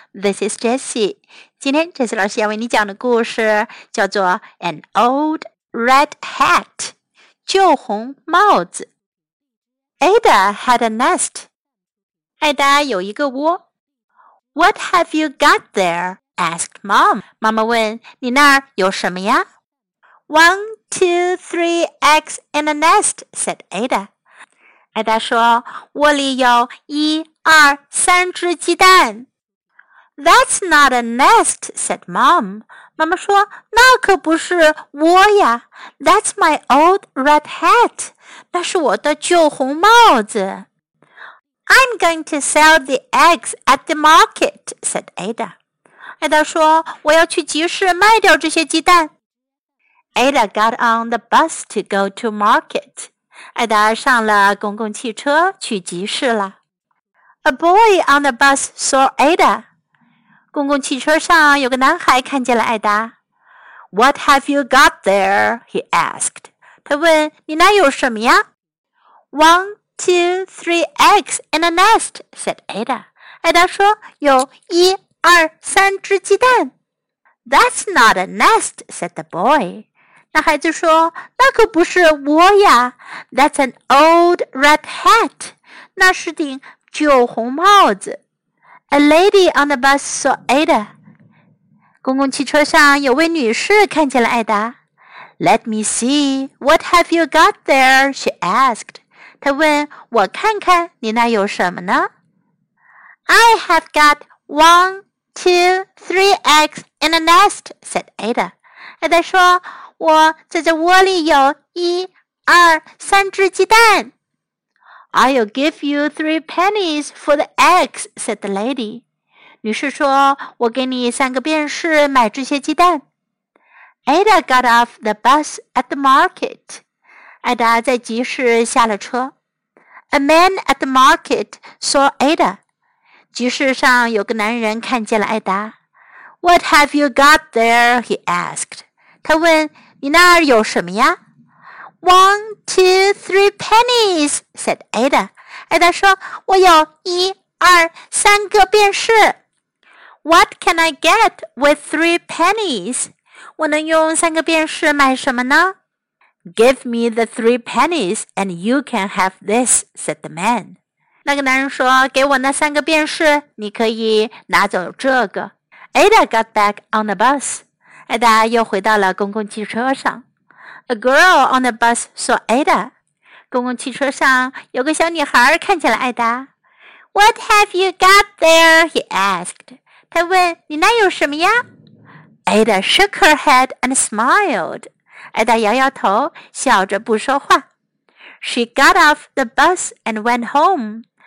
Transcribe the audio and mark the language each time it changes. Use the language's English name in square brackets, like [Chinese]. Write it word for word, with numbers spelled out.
[English] This is Jessie. [Chinese] 今天 Jessie 老师要为你讲的故事叫做 An Old Red Hat. 旧红帽子。 [English] Ada had a nest. [Chinese] 艾达有一个窝。 [English] What have you got there? Asked Mom. [Chinese] 妈妈问，你那儿有什么呀？ [English] One, two, three eggs in a nest, said Ada. [Chinese] Ada 说，窝里有一、二、三只鸡蛋。 [English] That's not a nest, said Mom. [Chinese] 妈妈说，那可不是窝呀。 [English] That's my old red hat. [Chinese] 那是我的旧红帽子。 [English] I'm going to sell the eggs at the market, said Ada. [Chinese] Ada 说，我要去集市卖掉这些鸡蛋。 [English] Ada got on the bus to go to market. [Chinese] 艾达上了公共汽车去集市了。 [English] A boy on the bus saw Ada. [Chinese] 公共汽车上有个男孩看见了艾达。 [English] What have you got there? He asked. [Chinese] 他问，你那有什么呀？ [English] One, two, three eggs in a nest, said Ada. [Chinese] 艾达说，有一、二、三只鸡蛋。 [English] That's not a nest, said the boy. [Chinese] 那孩子说，那可不是窝呀。 [English] That's an old red hat. [Chinese] 那是顶旧红帽子。 [English] A lady on the bus saw Ada. [Chinese] 公共汽车上有位女士看见了艾达。 [English] Let me see. What have you got there? She asked. [Chinese] 她问，我看看你那有什么呢？ [English] I have got one, two, three eggs in a nest, said Ada. [Chinese] 艾达说，我在这窝里有一、二、三只鸡蛋。 [English] I'll give you three pennies for the eggs, said the lady. [Chinese] 女士说，我给你三个便士买这些鸡蛋。 [English] Ada got off the bus at the market. [Chinese] 艾达在集市下了车。 [English] A man at the market saw Ada. [Chinese] 集市上有个男人看见了艾达。 [English] What have you got there? He asked. [Chinese] 他问，你那儿有什么呀？ [English] One, two, three pennies, said Ada. [Chinese] Ada 说，我有一、二、三个便士。 [English] What can I get with three pennies? [Chinese] 我能用三个便士买什么呢？ [English] Give me the three pennies and you can have this, said the man. [Chinese] 那个男人说，给我那三个便士，你可以拿走这个。 [English] Ada got back on the bus. [Chinese] 艾达又回到了公共汽车上。 [English] A girl on the bus saw Ada. [Chinese] 公共汽车上有个小女孩看见了艾达。 [English] What have you got there? He asked. [Chinese] 她问，你那有什么呀？ [English] Ada shook her head and smiled. [Chinese] 艾达摇摇头，笑着不说话。 [English] She got off the bus and went home.